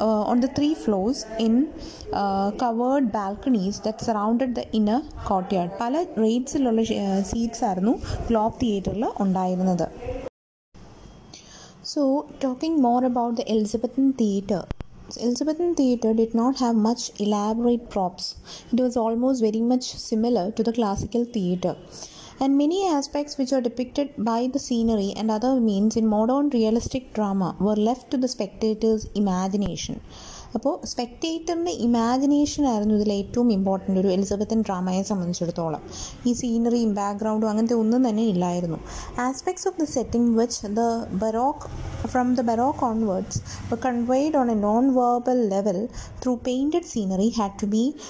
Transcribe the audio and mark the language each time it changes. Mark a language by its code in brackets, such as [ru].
[en] on the three floors in covered balconies that surrounded the inner courtyard [ml] പല റേറ്റ്സിലുള്ള seats ആയിരുന്നു globe തിയേറ്ററിൽ ഉണ്ടായിരുന്നത് [en] So, talking more about the Elizabethan theatre. Elizabethan theatre did not have much elaborate props. It was almost very much similar to the classical theatre. And many aspects which are depicted by the scenery and other means in modern realistic drama were left to the spectator's imagination. [ml] അപ്പോൾ സ്പെക്റ്റേറ്ററിൻ്റെ imagination ആയിരുന്നു ഇതിൽ ഏറ്റവും important ഒരു Elizabethan ഡ്രാമയെ സംബന്ധിച്ചിടത്തോളം ഈ സീനറിയും ബാക്ക്ഗ്രൗണ്ടും അങ്ങനത്തെ ഒന്നും തന്നെ ഇല്ലായിരുന്നു [en] aspects of the setting which the baroque from the baroque onwards conveyed on a non verbal level through painted scenery had to be